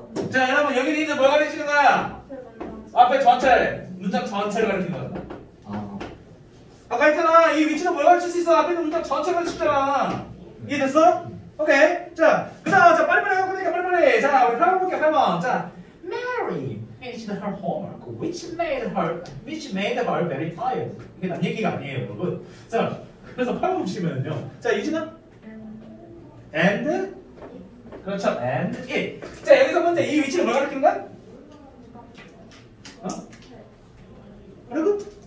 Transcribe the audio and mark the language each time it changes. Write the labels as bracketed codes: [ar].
[ko] 자, 여러분 여기 있는 뭘 가르치는 거야? 앞에 전체, 문장 전체를 가르치는 거야. 아까 했잖아, 이 위치는 뭘 가르칠 수 있어? 앞에 있는 문장 전체를 가르치잖아. 이해 됐어? 오케이. 자, 그 다음 자, 빨리빨리 하고 그러니까 빨리빨리. 자, 우리 한번 볼게요, 한번. 자. [en] Mary finished her homework, which made her very tired. [ko] 이게 난 얘기가 아니에요, 여러분. 자, 그래서 8번 보시면요. 자, 유진아. And? [en] 그렇죠, and it. [ko] 자, 여기서 먼저 이 위치를 뭘 가르치는 거야? 어? 그리고?